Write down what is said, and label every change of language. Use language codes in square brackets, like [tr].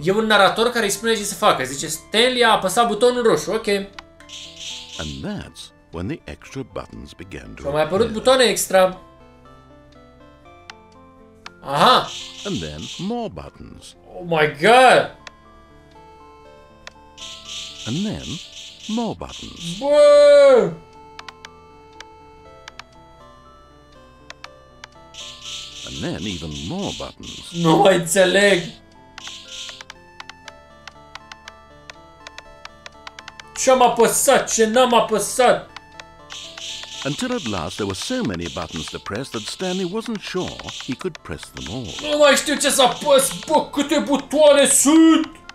[ro] E un narator care îi spune ce să facă. Zice, Stanley a apăsat butonul roșu, ok. [en] And that's when the extra buttons began to... [ro] S-au mai apărut butoane extra. Aha! [en] And then more buttons. Oh my god! And then more buttons. Bă! And then even more buttons. [ro] Nu mai înțeleg. Ce-am apăsat, ce n-am apăsat? [en] Until at last there were so many buttons to press that Stanley wasn't sure he could press them all. [ro] Nu mai știu ce să apăs, bă, câte butoane sunt!